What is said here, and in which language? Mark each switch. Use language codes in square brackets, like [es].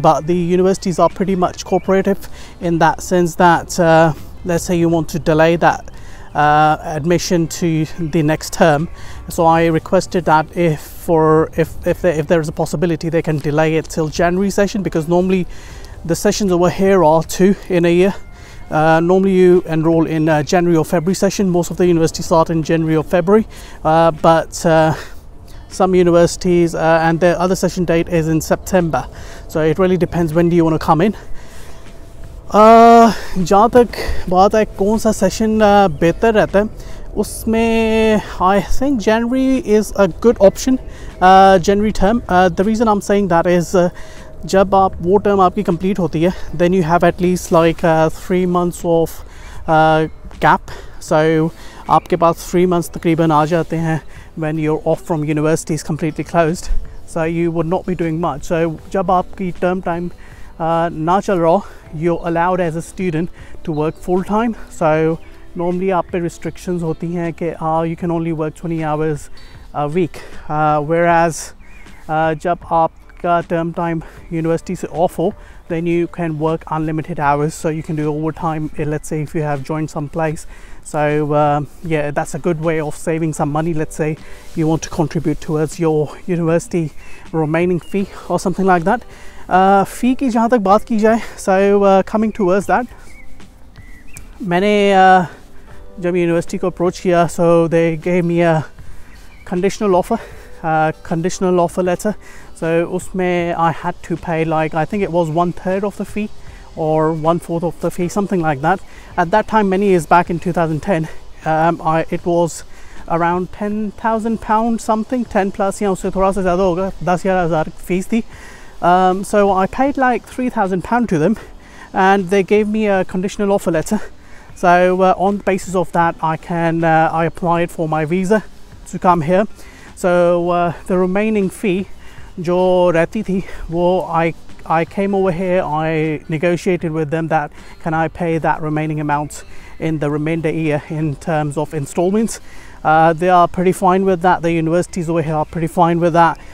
[en] But the universities are pretty much cooperative in that sense that let's say you want to delay that admission to the next term, so I requested that if there is a possibility, they can delay it till January session, because normally the sessions over here are two in a year. Normally you enroll in January or February session. Most of the universities start in January or February, but some universities and their other session date is in September, so it really depends when do you want to come in. [hi] जहाँ तक बात है कौन सा session बेहतर रहता है, उसमें [en] I think January is a good option, [hi] January term. [en] the reason I am saying that is [hi] जब आप वो टर्म आपकी कंप्लीट होती है, [en] then you have at least like three months of gap, [hi] सो आपके पास थ्री मंथ्स तकरीबन आ जाते हैं [en] When you are off from university is completely closed, so you would not be doing much. [hi] सो जब आपकी टर्म टाइम ना चल रहा, [en] you're allowed as a student to work full time. So normally [hi] aap pe restrictions hoti hain ke [en] you can only work 20 hours a week, whereas [hi] jab aapka term time university se off ho, [en] then you can work unlimited hours, so you can do overtime, let's say if you have joined some place. So yeah, that's a good way of saving some money. Let's say you want to contribute towards your university remaining fee or something like that. [hi] फ़ी की जहाँ तक बात की जाए, [en] so coming towards that, [hi] मैंने जब university को approach किया [en] so they gave me a conditional offer letter so उसमें I had to pay like I think it was 1/3 of the fee और 1/4 of the fee something like that at that time many is back in 2010 it was around 10,000 pound something 10 plus [hi] या उससे थोड़ा सा ज़्यादा होगा 10,000 fees थी [en] So I paid like 3,000 pound to them and they gave me a conditional offer letter So on the basis of that, I applied for my visa to come here. So the remaining fee, [hi] jo rehti thi, [en] wo I came over here. I negotiated with them that can I pay that remaining amount in the remainder year in terms of installments. They are pretty fine with that. The universities over here are pretty fine with that.